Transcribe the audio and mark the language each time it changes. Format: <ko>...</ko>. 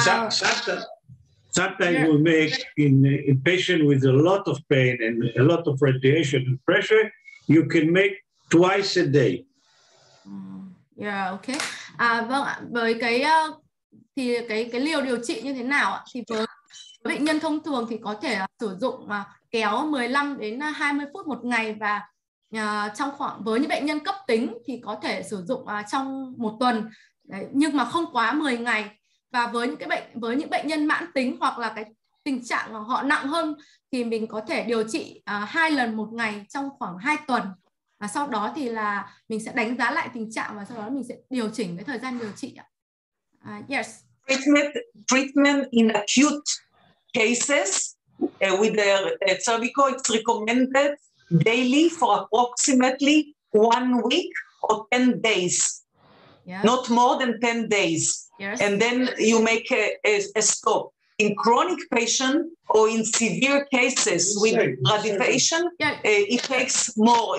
<en>Sometimes we make in patient with a lot of pain and a lot of radiation and pressure, you can make twice a day. Yeah, okay.</en> <vi>Vâng ạ. Với cái thì cái liều điều trị như thế nào ạ? Thì với bệnh nhân thông thường thì có thể sử dụng kéo 15 đến 20 phút một ngày, và trong khoảng với những bệnh nhân cấp tính thì có thể sử dụng trong một tuần đấy, nhưng mà không quá 10 ngày. Và với những bệnh nhân mãn tính hoặc là cái tình trạng họ nặng hơn thì mình có thể điều trị 2 lần một ngày trong khoảng 2 tuần. Và sau đó thì là mình sẽ đánh giá lại tình trạng và sau đó mình sẽ điều chỉnh cái thời gian điều trị ạ.</vi> <en>Yes. Treatment in acute cases with the cervical, it's recommended daily for approximately 1 week or 10 days. Yeah. Not more than 10 days. Yes. And then you make a stop. In chronic patient or in severe cases with radiation, it takes more.</en>